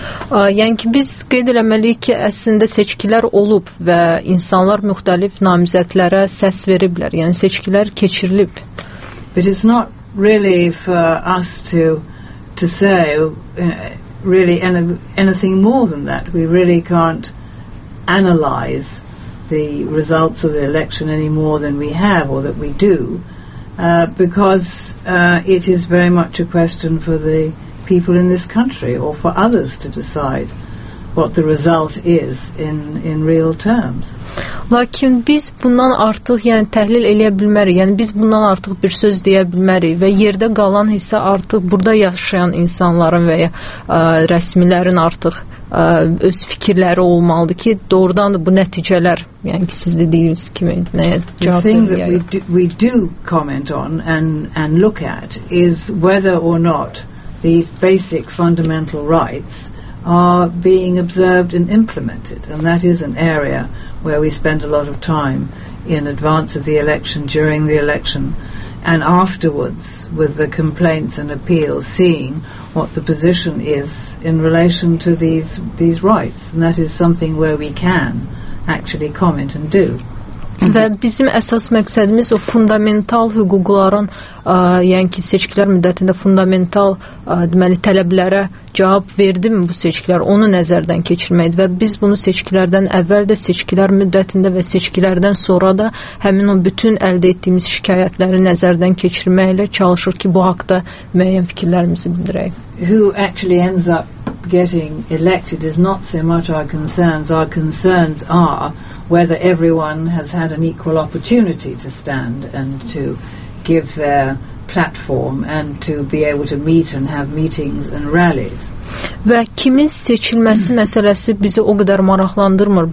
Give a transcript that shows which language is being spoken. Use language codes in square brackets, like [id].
[az] Yəni ki, biz qeyd eləməliyik ki, əslində seçkilər olub və insanlar müxtəlif namizədlərə səs veriblər. Yəni seçkilər keçirilib. [en] But it's not really for us to say really anything more than that. We really can't analyze the results of the election any more than we have or that we do, because it is very much a question for the people in this country or for others to decide what the result is in real terms. [az] Lakin biz bundan artıq, yəni təhlil eləyə bilmərik, yəni biz bundan artıq bir söz deyə bilmərik və yerdə qalan hissə artıq burada yaşayan insanların və ya rəsmilərin artıq öz fikirləri olmalıdır ki, doğrudan da bu nəticələr, yəni ki, siz dediyiniz kimi nəyə cavab verir? [en] The thing that we do comment on and look at is whether or not these basic fundamental rights are being observed and implemented, and that is an area where we spend a lot of time in advance of the election, during the election, and afterwards with the complaints and appeals, seeing what the position is in relation to these rights. And that is something where we can actually comment and do. [az] Və bizim əsas məqsədimiz o fundamental hüquqların, yəni ki, seçkilər müddətində fundamental deməli tələblərə cavab verdi mi bu seçkilər, onu nəzərdən keçirməkdir. Və biz bunu seçkilərdən əvvəl də, seçkilər müddətində və seçkilərdən sonra da həmin o bütün əldə etdiyimiz şikayətləri nəzərdən keçirməklə çalışır ki, bu haqda müəyyən fikirlərimizi bildirək. [en] Who actually ends up getting elected is not so much our concerns. Our concerns are whether everyone has had an equal opportunity to stand and to give their platform and to be able to meet and have meetings and rallies. [az] Və kimin seçilməsi məsələsi bizi o qədər maraqlandırmır.